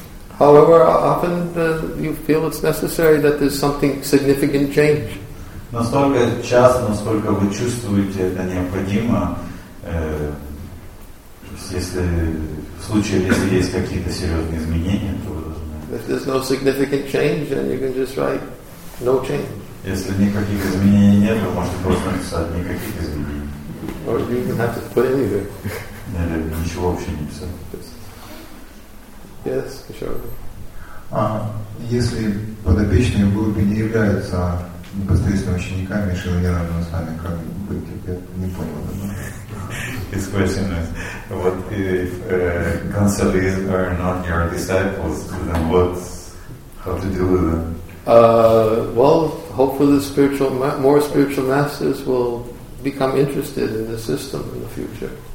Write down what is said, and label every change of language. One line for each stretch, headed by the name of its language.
English: However, often you feel it's necessary that there's something significant change.
Russian: Настолько часто, насколько вы чувствуете это необходимо, если в случае, если есть какие-то серьезные изменения, то вы должны.
English: If there's no significant change, then you can just write no change.
Russian: Если никаких изменений нет, вы можете просто написать никаких изменений.
English: Or you even have to put anything.
Russian: Или ничего вообще не писать.
English: Yes, sure.
Russian: Если подопечные в группе не являются непосредственно учениками Шрилы Нирвана Госвами, как быть? Я не понял.
English: His question is, what if counselees are not your disciples, then what's, how to deal with them? Well, hopefully more spiritual masters will become interested in the system in the future.